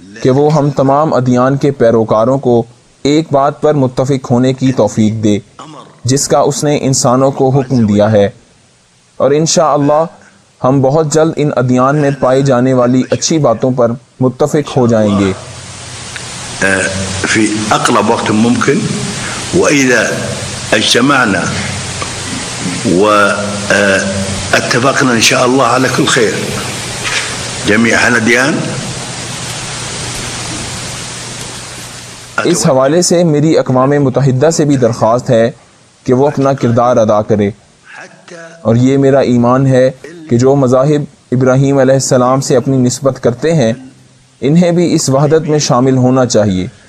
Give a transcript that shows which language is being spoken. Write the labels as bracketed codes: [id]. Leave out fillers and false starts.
[ur] کہ وہ ہم تمام ادیان کے پیروکاروں کو ایک بات پر متفق ہونے کی توفیق دے جس کا اس نے انسانوں کو حکم دیا ہے، اور انشاءاللہ ہم بہت جلد ان ادیان میں پائی جانے والی اچھی باتوں پر متفق ہو جائیں گے۔ [ar] فی اقرب وقت ممکن واذا اجتمعنا واتفقنا ان شاء الله على كل خير جميع الاديان۔ [ur] اس حوالے سے میری اقوام متحدہ سے بھی درخواست ہے کہ وہ اپنا کردار ادا کرے، اور یہ میرا ایمان ہے کہ جو مذاہب ابراہیم علیہ السلام سے اپنی نسبت کرتے ہیں انہیں بھی اس وحدت میں شامل ہونا چاہیے،